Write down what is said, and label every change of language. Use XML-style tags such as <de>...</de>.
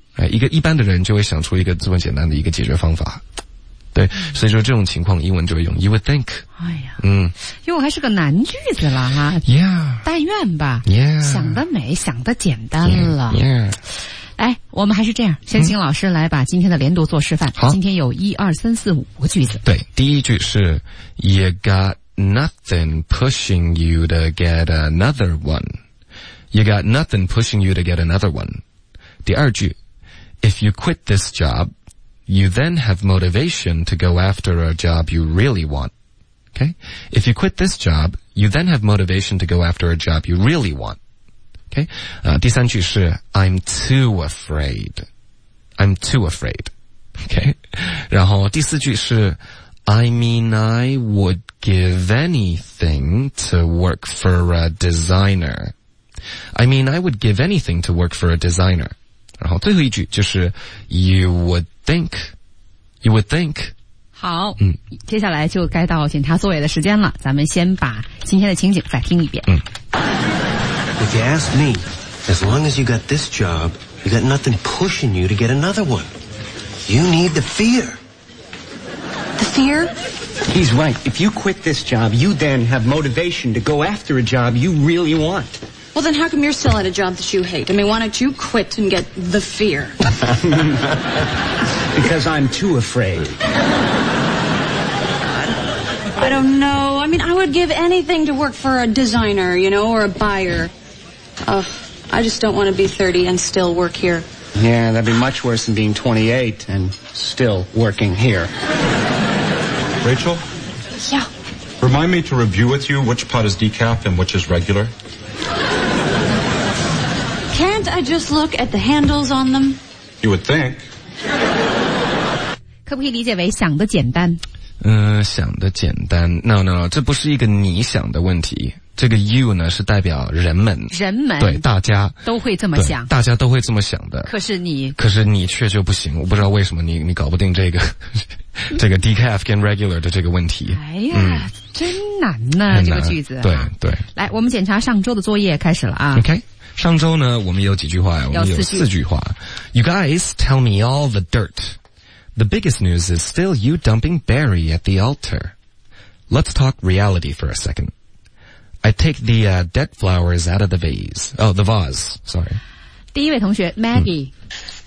<zh>一个一般的人就会想出一个这么简单的一个解决方法，对，所以说这种情况英文就会用</zh> <en>you would think。</en> <zh>哎呀，因为我还是个难句子了哈</zh> <en>，Yeah，</en> <zh>但愿吧</zh> <en>，Yeah，</en> <zh>想得美，想得简单了</zh> <en>，Yeah。</en> <zh>哎，我们还是这样，先请老师来把今天的连读做示范。好，今天有一二三四五个句子。对，第一句是</zh> <en>you got nothing pushing you to get another one， you got nothing pushing you to get another one。</en> <zh>第二句。</zh> <en>If you quit this job, you then have motivation to go after a job you really want. Okay? If you quit this job, you then have motivation to go after a job you really want. OK? Okay?</en> <zh>第三句是</zh> <en>I'm too afraid. I'm too afraid. Okay?</en> <zh>然后第四句是</zh> <en>I mean I would give anything to work for a designer. I mean I would give anything to work for a designer.</en> <zh>然后最后一句就是</zh> <en>You would think. You would think.</en> <zh>好，接下来就该到检查座位的时间了，咱们先把今天的情景再听一遍。</zh> <en>If you ask me, as long as you got this job, you got nothing pushing you to get another one. You need the fear. The fear? He's right. If you quit this job, you then have motivation to go after a job you really want. Well, then how come you're still at a job that you hate? I mean, why don't you quit and get the fear? Because I'm too afraid. I don't know. I mean, I would give anything to work for a designer, you know, or a buyer. Ugh, I just don't want to be 30 and still work here. Yeah, that'd be much worse than being 28 and still working here. Rachel? Yeah? Remind me to review with you which pot is decaf and which is regular. Can't I just look at the handles on them? You would think.</en> <zh>可不可以理解为想得简单？想的简单 No, 这不是一个你想的问题，这个 you 呢是代表人们，人们对大家都会这么想，大家都会这么想的，可是你却就不行，我不知道为什么你搞不定这个decaf 跟 regular 的这个问题。哎呀，真难呐，这个句子。对对，来我们检查上周的作业开始了啊。 OK， 上周呢我们有几句话，我们有四句话。</zh> <en>You guys tell me all the dirtThe biggest news is still you dumping Barry at the altar. Let's talk reality for a second. I take the dead flowers out of the vase. Oh, the vase. Sorry.</en> <zh>第一位同学 Maggie.、Mm.</zh>